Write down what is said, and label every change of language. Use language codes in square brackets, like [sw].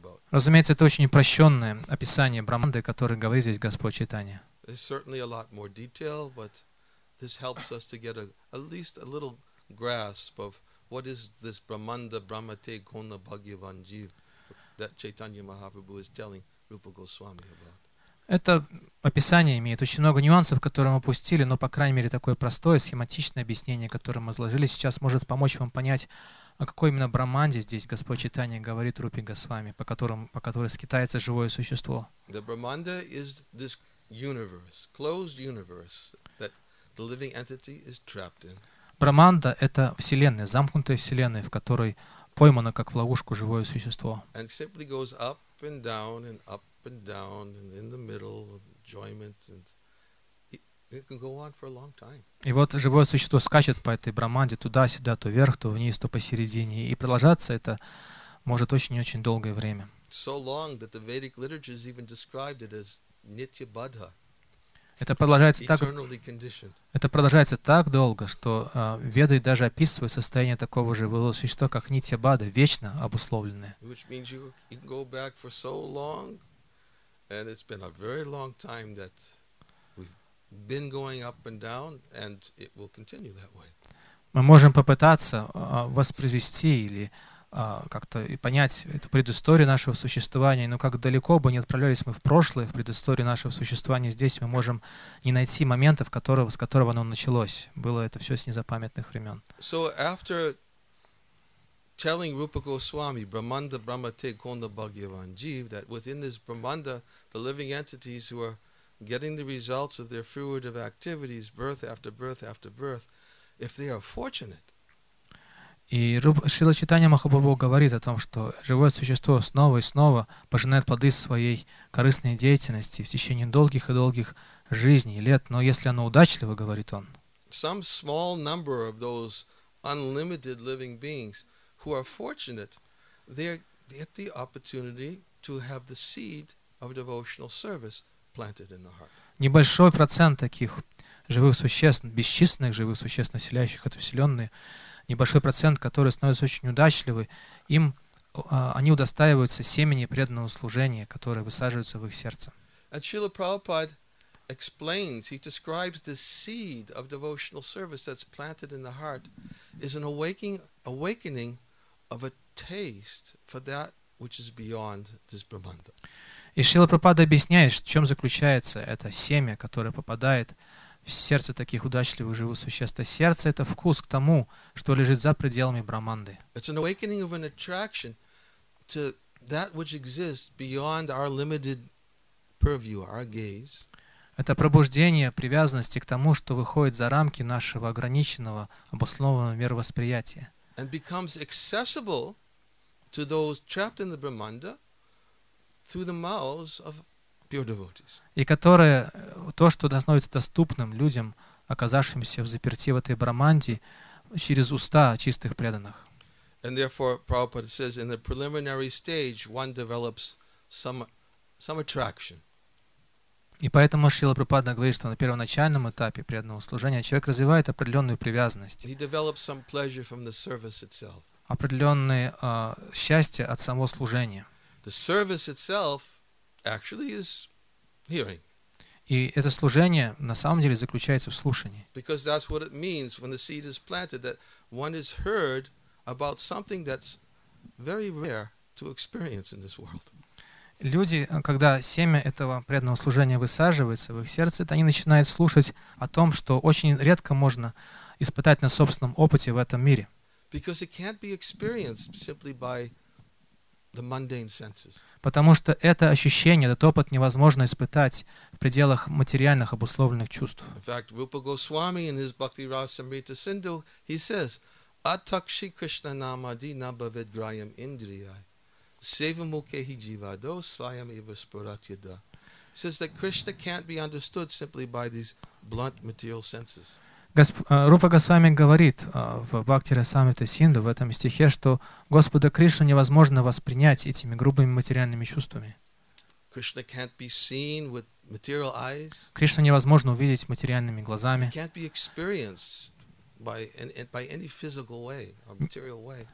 [ru] Разумеется, это очень упрощенное описание Брахманды, которое говорит здесь Господь Чайтанья. [en] There's certainly a lot more detail, but this helps us to get at least a little grasp of what is this Brahmanda Brahmate Guna Bhagyavan Jeev that Chaitanya Mahaprabhu is telling Rupa Goswami about. [ru] Это описание имеет очень много нюансов, которые мы упустили, но, по крайней мере, такое простое, схематичное объяснение, которое мы изложили, сейчас может помочь вам понять, о какой именно Брахманде здесь Господь Чайтанья говорит Рупи Госвами, по которой скитается живое существо. [en] The Brahmanda is this universe, closed universe, that the living entity is trapped in. [ru] Брахманда — это вселенная, замкнутая вселенная, в которой поймано, как в ловушку, живое существо. [en] And simply goes up and down and up and down and in the middle of enjoyment and it can go on for a long time. [ru] И вот живое существо скачет по этой Брахманде туда-сюда, то вверх, то вниз, то посередине, и продолжаться это может очень-очень долгое время. [en] So long that the Vedic liturgies even described it as nitya badha. [ru] Это продолжается так долго, что веды даже описывают состояние такого живого существа, как нитья-бада, вечно обусловленное. [en] Which means you can go back for so long, and it's been a very long time that we've been going up and down, and it will continue that way. [ru] Мы можем попытаться воспроизвести или как-то и понять эту предысторию нашего существования, но как далеко бы не отправлялись мы в прошлое, в предысторию нашего существования здесь, мы можем не найти момента, с которого оно началось. Было это все с незапамятных времен. [en] So after telling Rupa Goswami, Brahmanda Brahmate Guna Bhagyavan Jeev, that within this Brahmanda, the living entities who are getting the results of their fruit of activities, birth after birth after birth, if they are fortunate, [ru] и Шрила Чайтанья Махапрабху говорит о том, что живое существо снова и снова пожинает плоды своей корыстной деятельности в течение долгих и долгих жизней, лет. Но если оно удачливо, говорит он, [en] some small number of those unlimited living beings who are fortunate, they get the opportunity to have the seed of devotional service planted in the heart. [ru] Небольшой процент таких живых существ, бесчисленных живых существ, населяющих эту вселенную, небольшой процент, который становится очень удачливым, им они удостаиваются семени преданного служения, которое высаживается в их сердце. [en] And Srila Prabhupada explains, he describes the seed of devotional service that's planted in the heart is an awakening of a taste for that which is beyond this Brahmanda. [ru] И Шрила Прабхупада объясняет, в чем заключается это семя, которое попадает в сердце таких удачливых живых существ. Сердце — это вкус к тому, что лежит за пределами Брахманды. [en] It's an awakening of an attraction to that which exists beyond our limited purview, our gaze. [ru] Это пробуждение привязанности к тому, что выходит за рамки нашего ограниченного, обоснованного мировосприятия. [en] And becomes accessible to those trapped in the Brahmanda through the mouths of pure devotees. [ru] И которое то, что становится доступным людям, оказавшимся в заперти в этой Брахманде, через уста чистых преданных. [en] And therefore, Prabhupada says, in the preliminary stage, one develops some attraction. [ru] И поэтому Шрила Прабхупада говорит, что на первоначальном этапе преданного служения человек развивает определенную привязанность. [en] He develops some pleasure from the service itself. [ru] Определенное счастье от самого служения. [en] The service itself actually is hearing. [ru] И это служение на самом деле заключается в слушании. [en] Because that's what it means when the seed is planted, that one is heard about something that's very rare to experience in this world. [ru] Люди, когда семя этого преданного служения высаживается в их сердце, они начинают слушать о том, что очень редко можно испытать на собственном опыте в этом мире. [en] Because it can't be experienced simply by the mundane senses. [ru] Потому что это ощущение, этот опыт невозможно испытать в пределах материальных обусловленных чувств. [en] In fact, Rupa Goswami in his Bhakti Rasamrita Sindhu, he says, [sa] Atakshi Krishna Namadi Nabhavid Grayam Indriyai. Sevamukehi jivado svayam eva spuratyada. [en] It says that Krishna can't be understood simply by these blunt material senses. [ru] Рупа Госвами говорит в Бхакти Расамрита Синду в этом стихе, что Господа Кришну невозможно воспринять этими грубыми материальными чувствами. [en] Krishna can't be seen with material eyes. [ru] Кришну невозможно увидеть материальными глазами. [en] He can't be experienced by any physical way or material way.